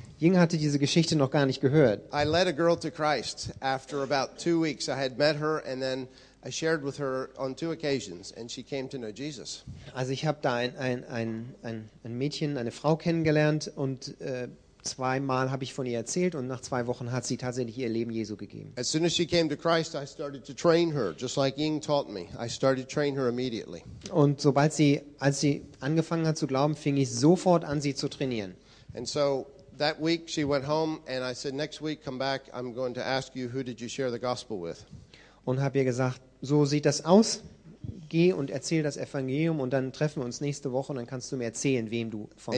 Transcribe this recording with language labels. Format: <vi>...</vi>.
<de>Ying hatte diese Geschichte noch gar nicht gehört.</de> <en>I led a girl to Christ after about 2 weeks. I had met her and then I shared with her on 2 occasions and she came to know Jesus.</en> <de>Also ich habe da ein Mädchen, eine Frau kennengelernt und zweimal habe ich von ihr erzählt und nach 2 Wochen hat sie tatsächlich ihr Leben Jesu gegeben.</de> <en>As soon as she came to Christ, I started to train her, just like Ying taught me. I started to train her immediately.</en> <de>Und sobald sie, als sie angefangen hat zu glauben, fing ich sofort an, sie zu trainieren.</de> <en>And so that week she went home and I said, next week come back, I'm going to ask you, who did you share the gospel with?</en> <de>Und habe ihr gesagt, so sieht das aus. Geh und erzähl das Evangelium und dann treffen wir uns nächste Woche und dann kannst du mir erzählen, wem du</de>